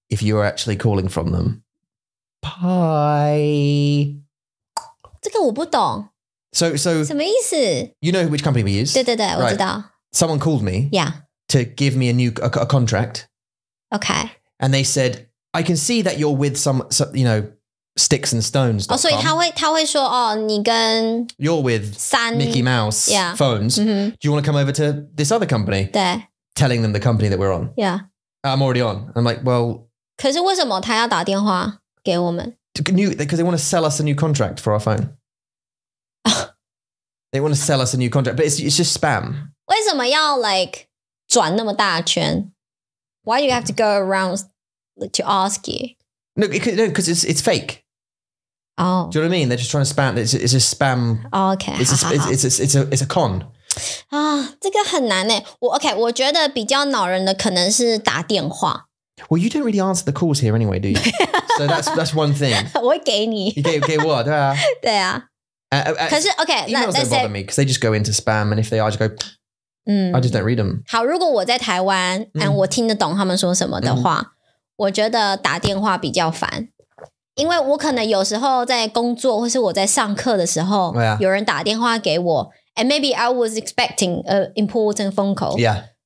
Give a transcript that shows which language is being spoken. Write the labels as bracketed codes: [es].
[en] If you're actually calling from them. Bye. [zh] 这个我不懂。 [en] So, [zh] 什么意思? [en] You know which company we use? [zh] 对对对、 [en] right. [zh] 我知道。 [en] Someone called me. Yeah. To give me a new a contract. Okay. And they said, I can see that you're with some, you know, sticks and stones. [zh] Oh, 所以他会说哦，你跟 [en] You're with Mickey Mouse yeah, phones. Mm-hmm. Do you want to come over to this other company? [zh] 对。 [en] Telling them the company that we're on. Yeah. I'm already on. I'm like, well, [zh] 可是为什么他要打电话给我们? [en] Because they want to sell us a new contract for our phone. They want to sell us a new contract, but it's just spam. [zh] 为什么要 like 转那么大圈? [en] Why do you have to go around to ask you? No, because it's fake. Oh. Do you know what I mean? They're just trying to spam. It's just spam. Oh, okay. It's a con. [zh] 啊，这个很难诶。我觉得比较恼人的可能是打电话。 [en] Well, you don't really answer the calls here anyway, do you? So that's one thing. [zh] 我会给你。你给我，对啊。对啊。可是 ,okay, [en] emails don't bother me, because they just go into spam, and if they are, I just go, I just don't read them. [zh] 好,如果我在台湾, and 我听得懂他们说什么的话,我觉得打电话比较烦。因为我可能有时候在工作,或是我在上课的时候,有人打电话给我, [en] and maybe I was expecting an important phone call. Yeah.